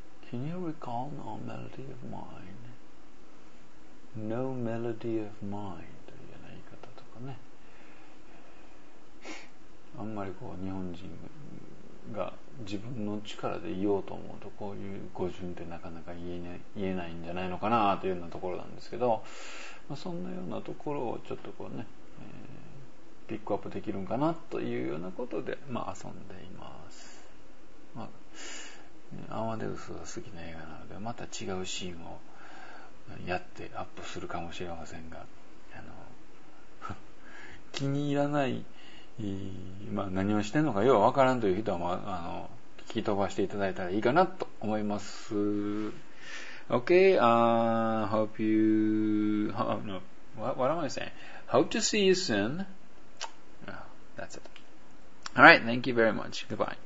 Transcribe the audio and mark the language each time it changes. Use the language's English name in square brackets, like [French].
[English] Can you recall no melody of mine? No melody of mine [Japanese] というような言い方とかね、あんまりこう日本人が自分の力で言おうと思うとこういう語順ってなかなか言えないんじゃないのかなというようなところなんですけど、まあ、そんなようなところをちょっとこうね、ピックアップできるんかなというようなことで、まあ、遊んでいます。まあ、アマデウスは好きな映画なのでまた違うシーンをやってアップするかもしれませんが、気に入らない、まあ、何をしてんのかようわからんという人は、まあ、聞き飛ばしていただいたらいいかなと思います。 [English] OK、Hope you no, what am I saying? Hope to see you soon. That's it. Alright, thank you very much. Goodbye.